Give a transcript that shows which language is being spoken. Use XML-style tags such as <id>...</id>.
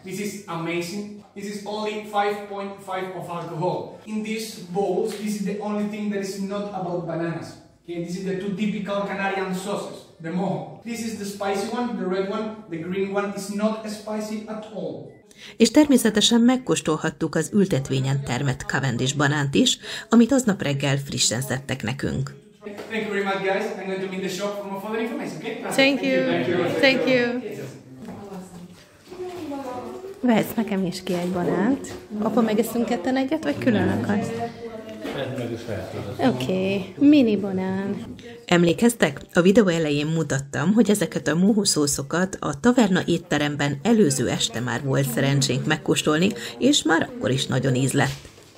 <en>This is amazing. This is only 5.5 of alcohol. In these bowls, this is the only thing that is not about bananas. Okay, this is the two typical Canarian sauces, the mojo. This is the spicy one, the red one, the green one is not spicy at all.</en> <hu>És természetesen megkóstolhattuk az ültetvényen termett Cavendish banánt is, amit aznap reggel frissen szedtek nekünk.</hu> <en>Thank you very much, guys. I'm going to be in the shop for more further information. Okay? Thank you.</en> <hu>Vehetsz nekem is ki egy banánt. Apa, megeszünk ketten egyet, vagy külön akarsz? Oké, mini banán. Emlékeztek? A videó elején mutattam, hogy ezeket a mohó szószokat a taverna étteremben előző este már volt szerencsénk megkóstolni, és már akkor is nagyon ízlett.</hu>